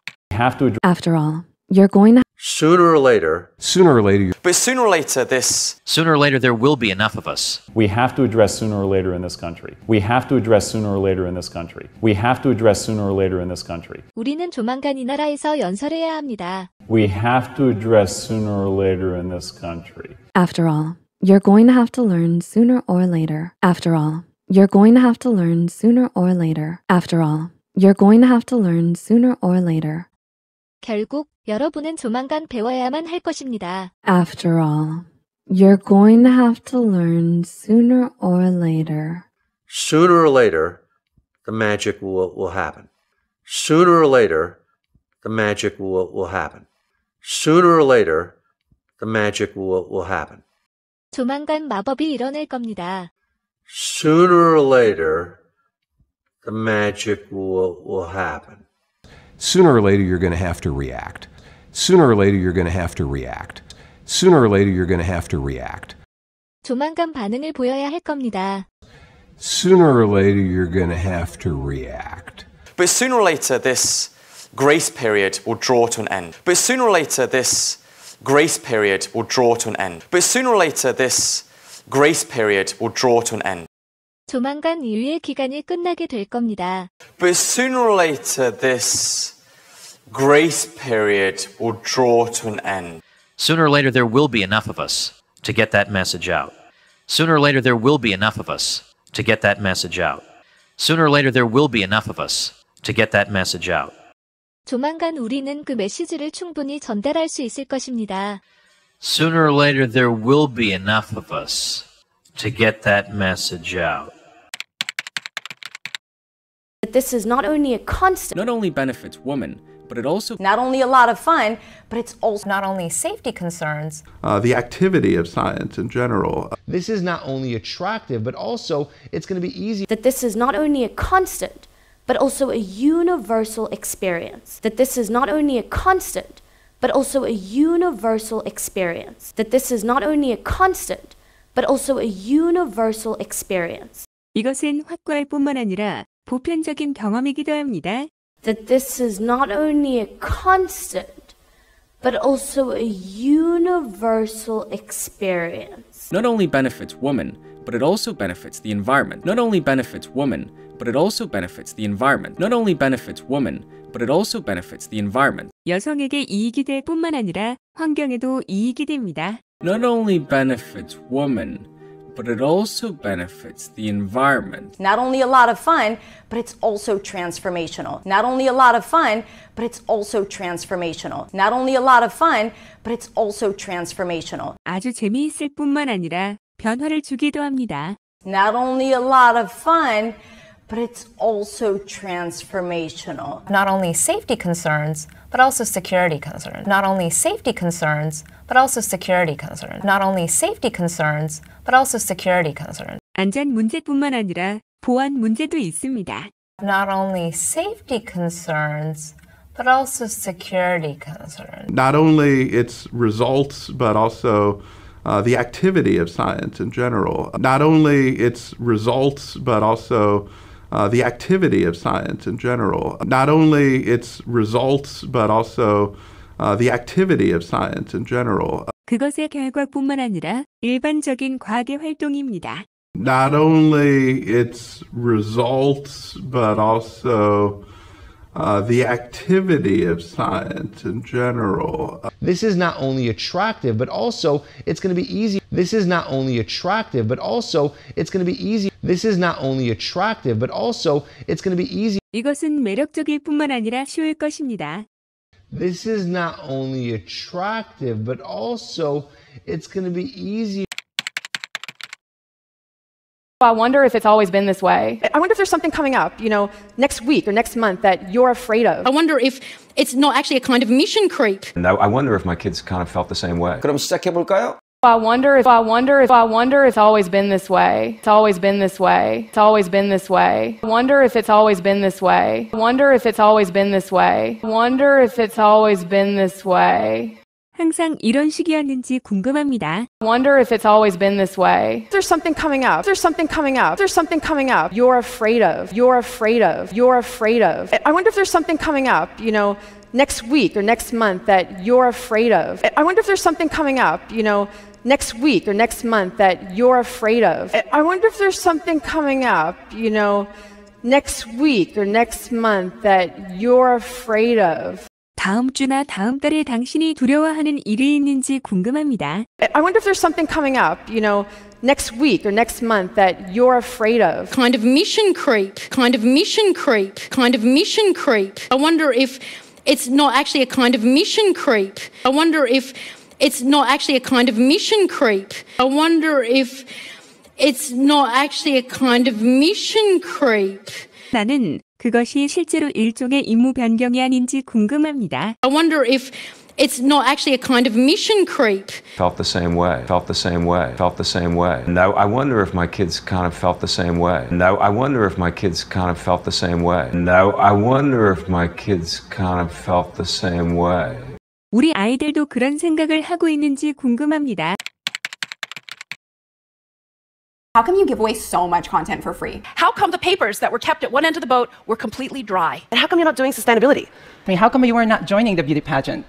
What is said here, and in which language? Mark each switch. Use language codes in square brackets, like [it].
[en] I have to address. After all, you're going to. Sooner or later. Sooner or later. But sooner or later, this. Sooner or later, there will be enough of us. We have to address sooner or later in this country. We have to address sooner or later in this country. We have to address sooner or later in this country. [ko] 우리는 조만간 이 나라에서 연설해야 합니다. [en] We have to address sooner or later in this country. After all, you're going to have to learn sooner or later. After all, you're going to have to learn sooner or later. After all, you're going to have to learn sooner or later. [ko] 결국 여러분은 조만간 배워야만 할 것입니다. [en] After all, you're going to have to learn sooner or later. Sooner or later, the magic will happen. Sooner or later, the magic will happen. Sooner or later, the magic will happen. [ko] 조만간 마법이 일어날 겁니다. [en] Sooner or later, the magic will happen. Sooner or later, you're going to have to react. Sooner or later, you're going to have to react. Sooner or later, you're going to have to react. [ko] 조만간 반응을 보여야 할 겁니다. [en] Sooner or later, you're going to have to react. But sooner or later, this grace period will draw to an end. But sooner or later, this grace period will draw to an end. But sooner or later, this grace period will draw to an end. [ko] 조만간 유예 기간이 끝나게 될 겁니다. [en] But sooner or later, this grace period will draw to an end. Sooner or later, there will be enough of us to get that message out. Sooner or later, there will be enough of us to get that message out. Sooner or later, there will be enough of us to get that message out. [ko] 조만간 우리는 그 메시지를 충분히 전달할 수 있을 것입니다. [en] Sooner or later, there will be enough of us to get that message out. But this is not only a constant. Not only benefits women, but it also not only a lot of fun, but it's also not only safety concerns. The activity of science in general. This is not only attractive, but also it's going to be easy. That this is not only a constant, but also a universal experience. That this is not only a constant, but also a universal experience. That this is not only a constant, but also a universal experience. [ko] 이것은 확고할 뿐만 아니라 보편적인 경험이기도 합니다. [en] That this is not only a constant, but also a universal experience. Not only benefits women, but it also benefits the environment. Not only benefits women, but it also benefits the environment. Not only benefits women, but it also benefits the environment. [ko] 여성에게 이익이 될 뿐만 아니라 환경에도 이익이 됩니다. [en] Not only benefits women, but it also benefits the environment. Not only a lot of fun, but it's also transformational. Not only a lot of fun, but it's also transformational. Not only a lot of fun, but it's also transformational. [ko] 아주 재미있을 뿐만 아니라 변화를 주기도 합니다. [en] Not only a lot of fun, but it's also transformational. Not only safety concerns, but also security concerns. Not only safety concerns, but also security concerns. Not only safety concerns, but also security concerns. [ko] 안전 문제뿐만 아니라 보안 문제도 있습니다. [en] Not only safety concerns, but also security concerns. Not only its results, but also the activity of science in general. Not only its results, but also the activity of science in general. Not only its results, but also the activity of science in general. [ko] 그것의 결과뿐만 아니라 일반적인 과학의 활동입니다. [en] Not only its results, but also the activity of science in general. This is not only attractive, but also it's going to be easy. This is not only attractive, but also it's going to be easy. This is not only attractive, but also it's going to be easy. [ko] 이것은 매력적일 뿐만 아니라 쉬울 것입니다. [en] This is not only attractive, but also it's going to be easy. I wonder if it's always been this way. I wonder if there's something coming up, you know, next week or next month that you're afraid of. I wonder if it's not actually a kind of mission creep. No, I wonder if my kids kind of felt the same way. [ko] 그럼 시작해볼까요? [en] I wonder it's always been this way. It's always been this way. It's always been this way. I wonder if it's always been this way. I wonder if it's always been this way. I wonder if it's always been this way. [ko] 항상 이런 식이었는지 궁금합니다. [en] I wonder if it's always been this way. There's something coming up. There's something coming up. There's something coming up. You're afraid of. You're afraid of. You're afraid of. I wonder if there's something coming up, you know, next week or next month that you're afraid of. I wonder if there's something coming up, you know, next week or next month that you're afraid of. I wonder if there's something coming up, you know, next week or next month that you're afraid of. [ko] 다음 주나 다음 달에 당신이 두려워하는 일이 있는지 궁금합니다. [en] I wonder if there's something coming up, you know, next week or next month that you're afraid of. Kind of mission creep. Kind of mission creep. Kind of mission creep. I wonder if it's not actually a kind of mission creep. I wonder if it's not actually a kind of mission creep. I wonder if it's not actually a kind of mission creep. [ko] 나는 그것이 실제로 일종의 임무 변경이 아닌지 궁금합니다. [en] I wonder if It's not actually a kind of mission creep. Felt the same way. No, I wonder if my kids kind of felt the same way. [ko] 우리 아이들도 그런 생각을 하고 있는지 궁금합니다. [en] How come you give away so much content for free? How come the papers that were kept at one end of the boat were completely dry? And how come you're not doing sustainability? I mean, how come you are not joining the beauty pageant?